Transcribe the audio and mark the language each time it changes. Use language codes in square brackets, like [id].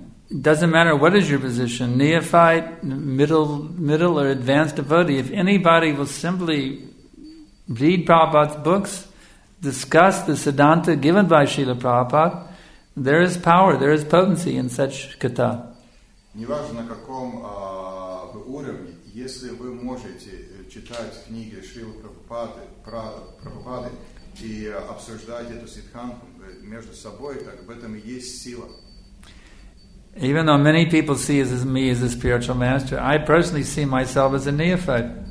[en] It doesn't matter what is your position, neophyte, middle or advanced devotee, if anybody will simply read Prabhupada's books, discuss the Siddhanta given by Srila Prabhupada, there is power, there is potency in such katha. [ru] Неважно, каком уровне, если вы можете читать книги Шрилы Прабхупады и обсуждать эту Сиддханту между собой, так в этом есть сила. [en] Even though many people see me as a spiritual master, I personally see myself as a neophyte.